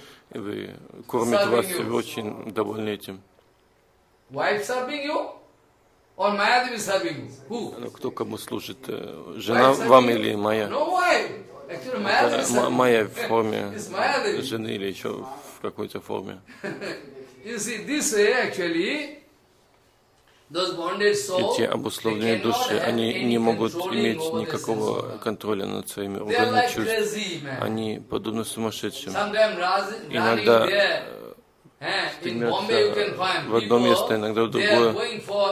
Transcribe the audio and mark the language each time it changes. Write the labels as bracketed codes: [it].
[ru] Вы кормит вас, и вы очень довольны этим. [en] Wife serving you? Or Mayadevi serving you? Who? [ru] Ну, кто кому служит? Жена вам или Майя? [en] No wife. Actually, Mayadevi serving you. [ru] Майя в форме жены или еще в какой-то форме. [en] You see, this way actually, those bonded souls, [ru] эти обусловленные души, они не могут иметь никакого контроля над своими органами чувств. Они подобны сумасшедшим. Иногда стремятся в одно место, иногда в другое.